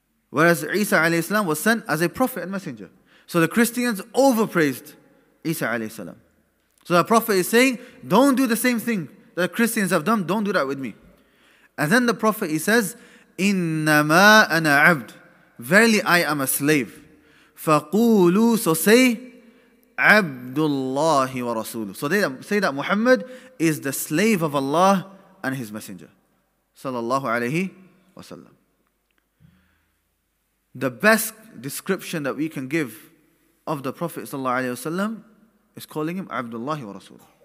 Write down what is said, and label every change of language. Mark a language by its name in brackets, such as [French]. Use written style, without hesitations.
[English] Whereas Isa alayhi salam was sent as a prophet and messenger. So the Christians overpraised Isa alayhi salam. So the Prophet is saying, don't do the same thing that the Christians have done. Don't do that with me. And then the Prophet, he says, [Arabic] إِنَّمَا أَنَا عَبْدُ. [English] Verily, I am a slave. [Arabic] فَقُولُوا, [English] so say, [Arabic] عَبْدُ اللَّهِ وَرَسُولُهُ. [English] So they say that Muhammad is the slave of Allah and his messenger. Sallallahu alayhi wasallam. The best description that we can give of the Prophet sallallahu alayhi wasallam is calling him Abdullah wa Rasul.